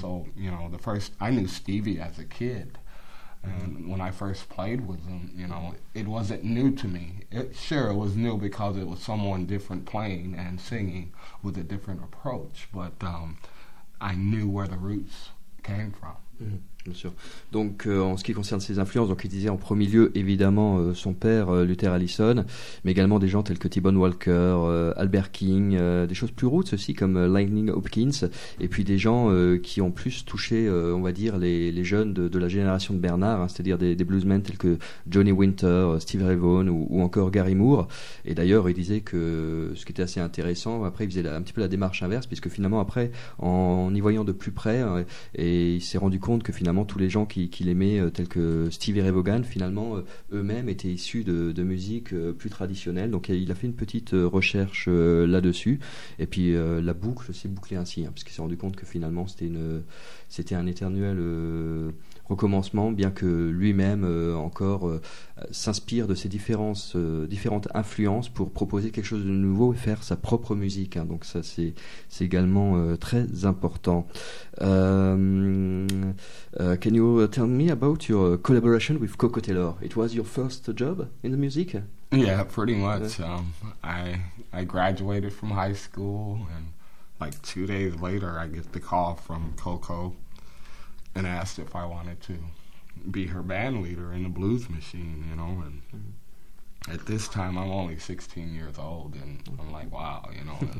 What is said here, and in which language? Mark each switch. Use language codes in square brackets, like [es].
[en] So, you know, the first, I knew Stevie as a kid. And mm-hmm. when I first played with him, you know, it wasn't new to me. Sure, it was new because it was someone different playing and singing with a different approach. But I knew where the roots came from. [fr] Mmh, bien sûr. Donc en ce qui concerne ses influences, donc il disait en premier lieu évidemment son père Luther Allison, mais également des gens tels que T-Bone Walker, Albert King, des choses plus roots aussi comme Lightning Hopkins, et puis des gens qui ont plus touché on va dire les jeunes de la génération de Bernard, hein, c'est-à-dire des bluesmen tels que Johnny Winter, Steve Ray Vaughan ou encore Gary Moore. Et d'ailleurs il disait que ce qui était assez intéressant, après il faisait un petit peu la démarche inverse, puisque finalement après en y voyant de plus près, et il s'est rendu compte que finalement tous les gens qu'il aimait tels que Stevie Ray Vaughan finalement eux-mêmes étaient issus de musique plus traditionnelle, donc il a fait une petite recherche là-dessus, et puis la boucle s'est bouclée ainsi hein, puisqu'il s'est rendu compte que finalement c'était un éternel recommencement, bien que lui-même encore s'inspire de ses différentes influences pour proposer quelque chose de nouveau et faire sa propre musique. Hein. Donc ça, c'est également très important. [en] Can you tell me about your collaboration with Coco Taylor? It was your first job in the music? Yeah, pretty much. I graduated from high school and like 2 days later I get the call from Coco and asked if I wanted to be her band leader in the Blues Machine, you know, and at this time I'm only 16 years old and I'm like, wow, you know.